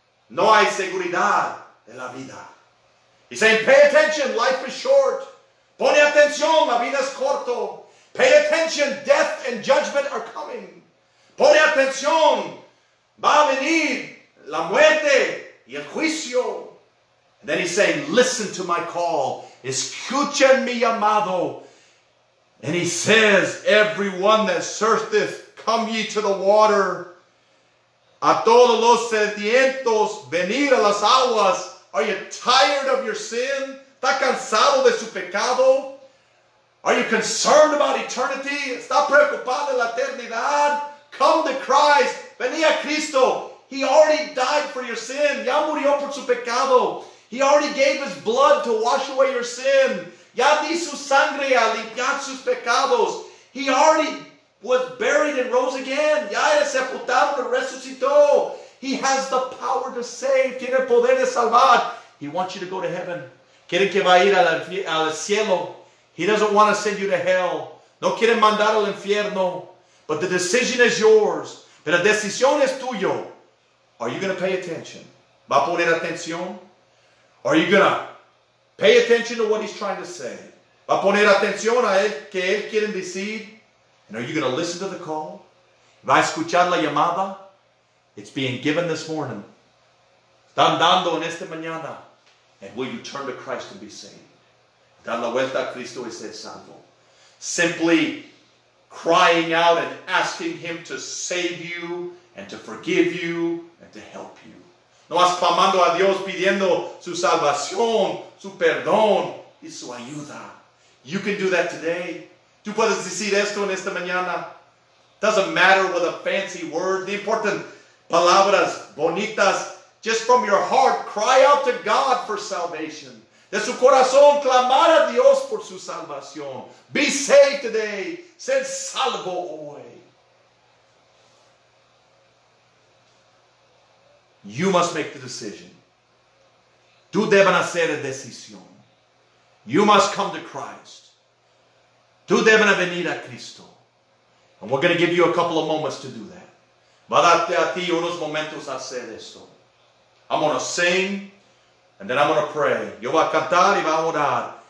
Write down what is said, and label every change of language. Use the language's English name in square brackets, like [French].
[Spanish] No hay seguridad en la vida. [English] He's saying, pay attention. Life is short. [Spanish] Pone atención. La vida es corto. [English] Pay attention. Death and judgment are coming. [Spanish] Pone atención, va a venir la muerte y el juicio. [English] And then he's saying, listen to my call. [Spanish] Escuchen mi llamado. [English] And he says, everyone that thirsteth, come ye to the water. [Spanish] A todos los sedientos, venid a las aguas. [English] Are you tired of your sin? [Spanish] ¿Está cansado de su pecado? [English] Are you concerned about eternity? [Spanish] ¿Está preocupado la eternidad? [English] Come to Christ. [Spanish] Vení a Cristo. [English] He already died for your sin. [Spanish] Ya murió por su pecado. [English] He already gave his blood to wash away your sin. [Spanish] Ya di su sangre a limpiar sus pecados. [English] He already was buried and rose again. [Spanish] Ya era sepultado y resucitó. [English] He has the power to save. [Spanish] Tiene el poder de salvar. [English] He wants you to go to heaven. [Spanish] Quiere que va a ir al cielo. [English] He doesn't want to send you to hell. [Spanish] No quiere mandar al infierno. [English] But the decision is yours. [Spanish] Pero la decisión es tuyo. [English] Are you going to pay attention? [Spanish] ¿Va a poner atención? [English] Are you going to pay attention to what he's trying to say? [Spanish] ¿Va a poner atención a él que él quiere decir? [English] And are you going to listen to the call? [Spanish] ¿Va a escuchar la llamada? [English] It's being given this morning. [Spanish] Están dando en esta mañana. [English] And will you turn to Christ and be saved? [Spanish] Dar la vuelta a Cristo y ser salvo. [English] Simply crying out and asking him to save you and to forgive you and to help you. [Spanish] No más clamando a Dios pidiendo su salvación, su perdón y su ayuda. [English] You can do that today. [Spanish] Tú puedes decir esto en esta mañana. [English] Doesn't matter with a fancy word. The important [Spanish] palabras bonitas. [English] Just from your heart, cry out to God for salvation. [Spanish] De su corazón, clamar a Dios por su salvación. [English] Be saved today. [Spanish] Ser salvo hoy. [English] You must make the decision. [Spanish] Tú debes hacer la decisión. [English] You must come to Christ. [Spanish] Tú debes venir a Cristo. [English] And we're going to give you a couple of moments to do that. [Spanish] Va a darte a ti unos momentos a hacer esto. [English] I'm going to sing. And then I'm going to pray. [Spanish] Yo voy a cantar y voy a orar.